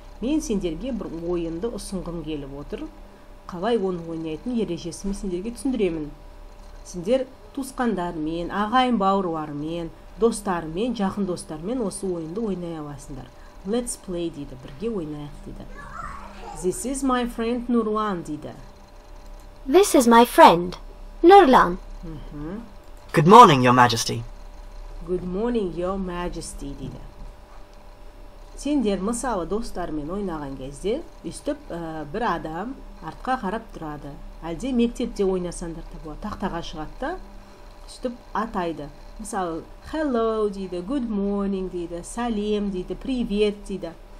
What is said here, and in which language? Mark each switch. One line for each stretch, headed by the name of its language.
Kazakh: Мен сендерге бір ойынды ұсынғым келіп отыр. Қалай оны ойнайтын ережесі мен сендерге түсіндіремін. Сендер туысқандармен, ағайын бауырларымен, достарымен, жақын достарымен осы ойынды ойнай аласыңдар.
English: Let's play
Kazakh: дейді, бірге ойнайық дейді.
English: This is my friend Nurlan
Kazakh: дейді.
English: This is my friend Nurlan. Good morning, your majesty. Good morning, your majesty
Kazakh: дейді. Сендер мысалы достармен ойнаған кезде, үстіп бір адам артқа қарап тұрады. Әлде мектепте ойнасаңдар да болады, тақтаға шығады да, үстіп атайды. Мысалы, hello дейді, good morning дейді, сәлем дейді, привет дейді.